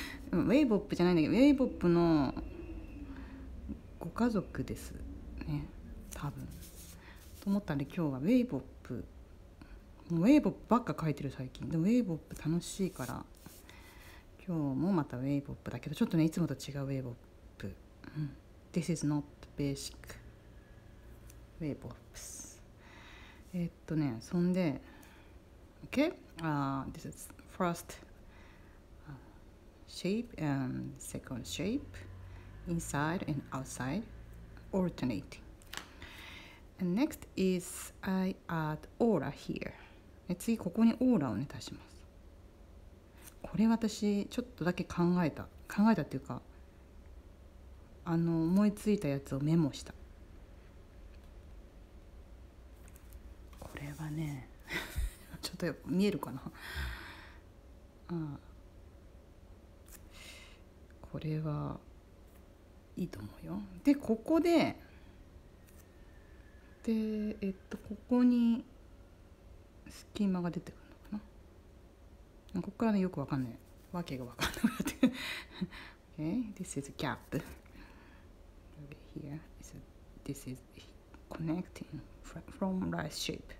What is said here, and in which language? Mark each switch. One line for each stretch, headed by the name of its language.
Japanese: ウェイボップじゃないんだけど、ウェイボップのご家族ですね、多分と思ったんで、今日はウェイボップ、ウェイボップばっか描いてる最近で、ウェイボップ楽しいから今日もまたウェイボップだけど、ちょっとねいつもと違うウェイボップ、うん、
English: This is not basic
Japanese: ウェイボップス。そんで、
English: Okay? This is first shape and second shape, inside and outside, alternating. And next is I add aura here.
Japanese: で、次ここにオーラをね、足します。これ私、ちょっとだけ考えた。考えたっていうか、思いついたやつをメモした。これはね、ちょっと見えるかな。ああ、これはいいと思うよ。で、ここで、ここに隙間が出てくるのかな。ここからね、よくわかんない。わけがわかんなくなってくる。
English: Okay, this is a gap. Over here, this is connecting from right shape.